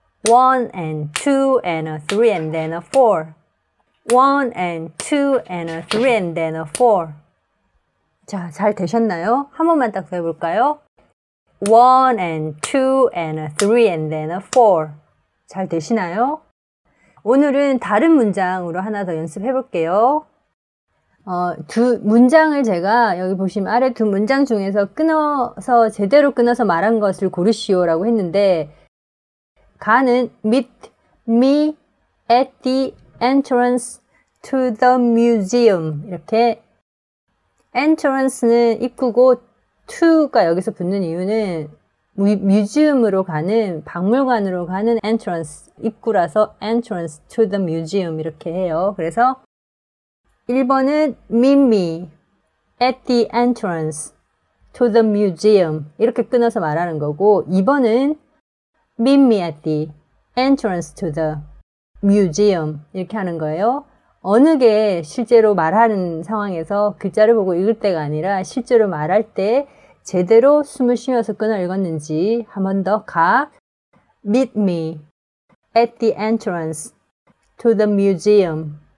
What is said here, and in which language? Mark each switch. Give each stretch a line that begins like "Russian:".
English: One and two and a three and then a four. One and two and a three and then a four.
Korean: 자, 잘 되셨나요? 한 번만 딱 해볼까요?
English: One and two and a three and then a four.
Korean: 잘 되시나요? 오늘은 다른 문장으로 하나 더 연습해 볼게요. 두 문장을 제가 여기 보시면 아래 두 문장 중에서 끊어서 제대로 끊어서 말한 것을 고르시오라고 했는데 가는
English: meet me at the entrance to the museum
Korean: 이렇게 entrance는 입구고 to가 여기서 붙는 이유는 뮤지엄으로 가는, 박물관으로 가는 entrance, 입구라서 entrance to the museum 이렇게 해요. 그래서 1번은
English: meet me at the entrance to the museum
Korean: 이렇게 끊어서 말하는 거고 2번은 meet me at the entrance to the museum 이렇게 하는 거예요. 어느 게 실제로 말하는 상황에서 글자를 보고 읽을 때가 아니라 실제로 말할 때 제대로 숨을 쉬면서 끊어 읽었는지 한번더 가.
English: Meet me at the entrance to the museum.